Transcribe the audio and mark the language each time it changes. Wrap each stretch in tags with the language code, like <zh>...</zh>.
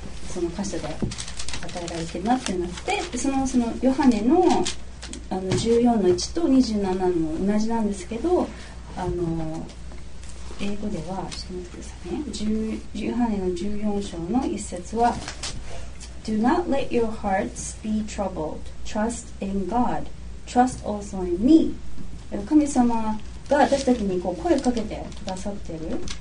<ja>その箇所で与えられてるなってなって、そのヨハネ の14の1と27の同じなんですけど、英語では、ちょっと待ってくださいね。 18の14章の一節は、</ja> <en>Do not let your hearts be troubled. Trust in God. Trust also in me.</en> <ja>神様が私たちにこう声をかけてくださってる。</ja>